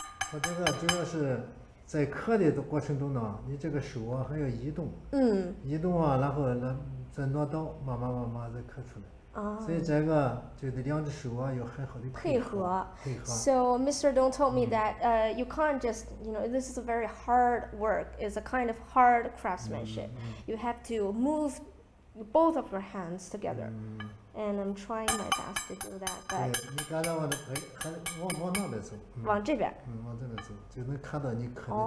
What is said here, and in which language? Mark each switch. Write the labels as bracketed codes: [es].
[zh] 它这个主要是在刻的过程中呢，你这个手啊还要移动，嗯，移动啊，然后呢再挪刀，慢慢再刻出来。啊，所以这个就得两只手啊有很好的配合。 [en] So Mr. Dong told me that you can't just, you know, this is a very hard work. It's a kind of hard craftsmanship. You have to move both of your hands together. And I'm trying my best to do that, but [zh] 你刚才往哎，还往那边走，嗯，往这边，嗯，往这边走，就能看到你刻的